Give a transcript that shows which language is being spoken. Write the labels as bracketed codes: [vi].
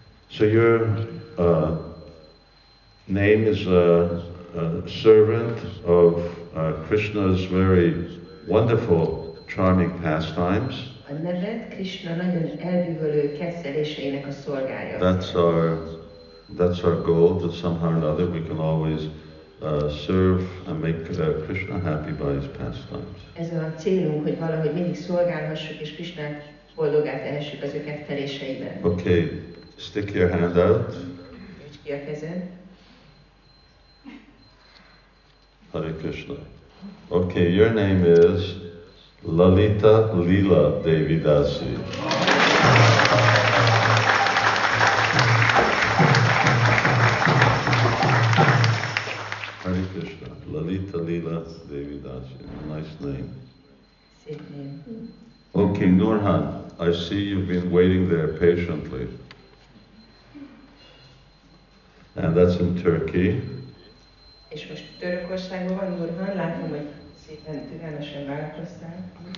[en] So your name is a servant of Krishna's very wonderful, charming pastimes. [hu] A neved Krishna nagyon elbűvölő kedveléseinek a szolgája. [en] That's our goal, that somehow or another we can always serve and make Krishna happy by his pastimes. [hu] Ez a célunk, hogy valahogy mindig szolgálhassuk és Krishna boldogát tehessük az ő kedveléseiben. [en] Okay, stick your hand out. [hu] Nyújts ki a kezed. [en] Hare Krishna. Okay, your name is Lalita Leela Devi Dasi. Hare Krishna. Lalita Leela Devi Dasi. Nice name. Okay, Nurhan, I see you've been waiting there patiently. And that's in Turkey. [hu] És most Törökországban van, Nurhan, látom, hogy szépen türelmesen várakoztál.